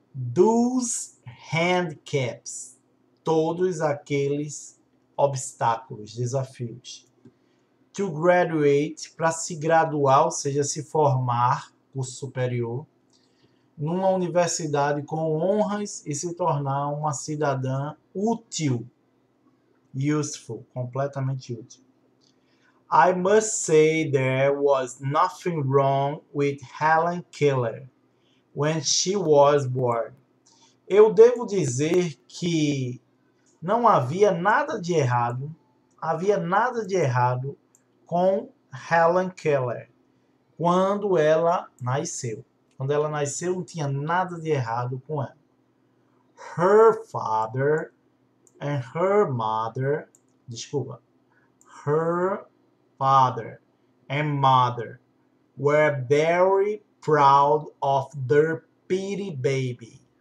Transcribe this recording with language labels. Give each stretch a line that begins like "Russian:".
English: Those handicaps,
Portuguese: todos aqueles obstáculos, desafios.
English: To graduate,
Portuguese: para se graduar, ou seja, se formar, curso superior, numa universidade com honras e se tornar uma cidadã útil.
English: Useful,
Portuguese: completamente útil.
English: I must say there was nothing wrong with Helen Keller when she was born.
Portuguese: Eu devo dizer que não havia nada de errado, havia nada de errado com Helen Keller quando ela nasceu. Quando ela nasceu, não tinha nada de errado com ela.
English: Her father and her mother,
Portuguese: desculpa,
English: her father and mother were very proud of their pretty baby.